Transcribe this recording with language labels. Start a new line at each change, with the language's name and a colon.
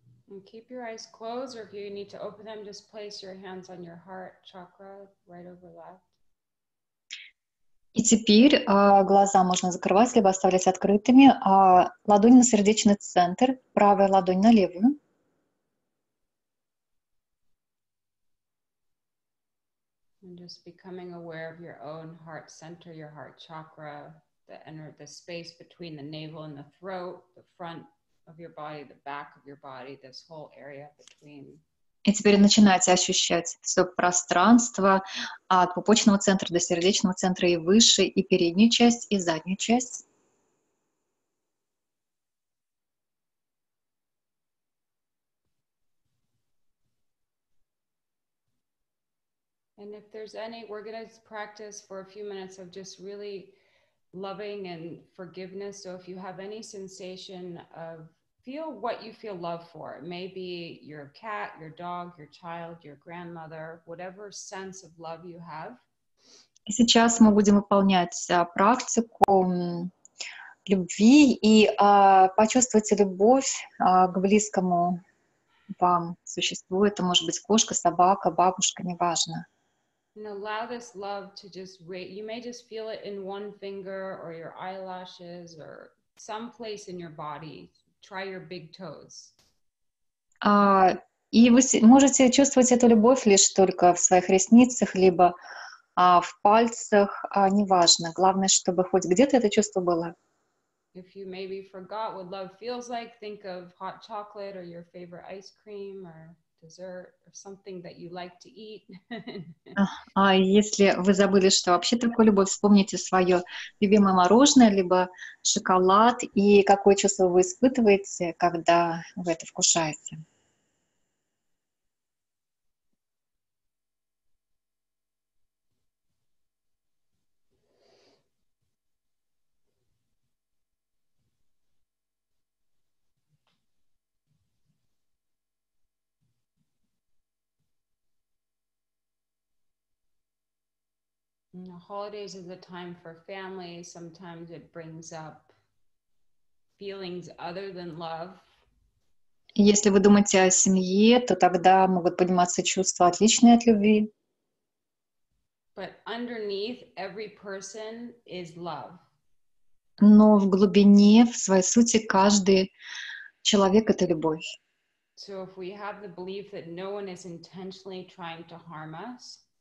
English: And keep your eyes closed, or if you need to open them, just place your hands on your heart chakra, right over left.
Russian: И теперь глаза можно закрывать, либо оставлять открытыми. Ладонь на сердечный центр, правая ладонь на левую.
English: And just becoming aware of your own heart center, your heart chakra, the space between the navel and the throat, the front of your body, the back of your body, this whole area between.
Russian: И теперь начинаете ощущать все пространство от пупочного центра до сердечного центра и выше, и переднюю часть, и заднюю часть.
English: And if there's any, we're going to practice for a few minutes of just really loving and forgiveness. So if you have any sensation of feel what you feel love for. It may be your cat, your dog, your child, your grandmother, whatever sense of love you have.
Russian: И сейчас мы будем выполнять практику любви и почувствуйте любовь к близкому вам существует. Это может быть кошка, собака, бабушка, неважно.
English: And allow this love to just radiate. You may just feel it in one finger or your eyelashes or some place in your body. Try your big toes.
Russian: И вы можете чувствовать эту любовь лишь только в своих ресницах, либо в пальцах, неважно. Главное, чтобы хоть где-то это чувство было.
English: If you maybe forgot what love feels like, think of hot chocolate or your favorite ice cream or dessert or something that you like to eat.
Russian: А если вы забыли, что вообще такое любовь, вспомните свое любимое мороженое, либо шоколад, и какое чувство вы испытываете, когда вы это вкушаете.
English: The holidays is a time for family. Sometimes it brings up feelings other than love.
Russian: Если вы думаете о семье, то тогда могут подниматься чувства, отличные от любви.
English: But underneath, every person is love.
Russian: Но в глубине, в своей сути, каждый человек — это любовь.
English: So if we have the belief that no one is intentionally trying to harm us,